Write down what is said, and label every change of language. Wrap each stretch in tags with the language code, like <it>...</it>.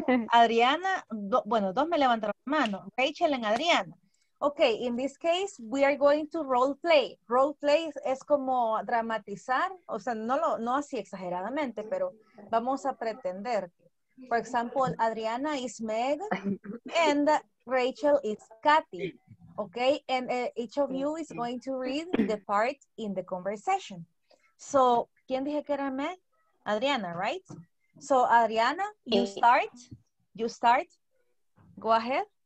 <es>Adriana, bueno, 2 me levantaron la mano, Rachel and Adriana.</es> <en>Okay, in this case, we are going to role play.</en> <es>Role play es como dramatizar, o sea, no así exageradamente, pero vamos a pretender.</es> <en>For example, Adriana is Meg and Rachel is Kathy. Okay, and each of you is going to read the part in the conversation. So,</en> <es>¿quién dije que era Meg?</es> <en>Adriana, right? So, Adriana, you start. Go ahead.</en>